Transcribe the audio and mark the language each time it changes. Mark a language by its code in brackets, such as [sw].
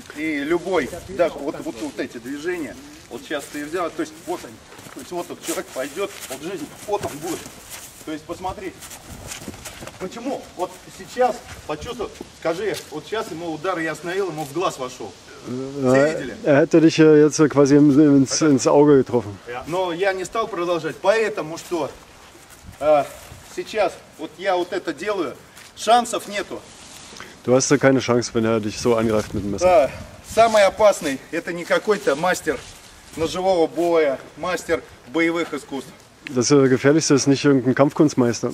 [ru] И любой, да, вот эти движения, вот сейчас ты взял, то есть вот они. То есть вот тут человек пойдет, вот жизнь, вот он будет. То есть посмотри. Почему? Вот сейчас почувствовал, скажи, вот сейчас ему удар, я остановил, ему в глаз вошел. [de] Er hätte dich jetzt quasi ins Auge getroffen. [ru] Но я не стал продолжать, поэтому что сейчас вот я вот это делаю, шансов нету. [de] Du hast ja keine Chance, wenn er dich so angreift mit dem Messer. [ru] Самый опасный это не какой-то мастер ножевого боя, мастер боевых искусств. [de] Das Gefährlichste ist nicht irgendein Kampfkunstmeister.